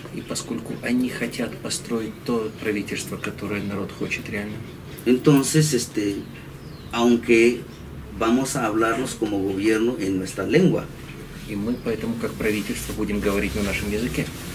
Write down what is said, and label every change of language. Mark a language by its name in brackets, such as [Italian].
[Russian] И поскольку они хотят построить то правительство, которое народ хочет реально. [Spanish] Entonces, aunque vamos a hablarlos como gobierno en nuestra lengua. [Russian] Y мы поэтому как правительство будем говорить на нашем языке.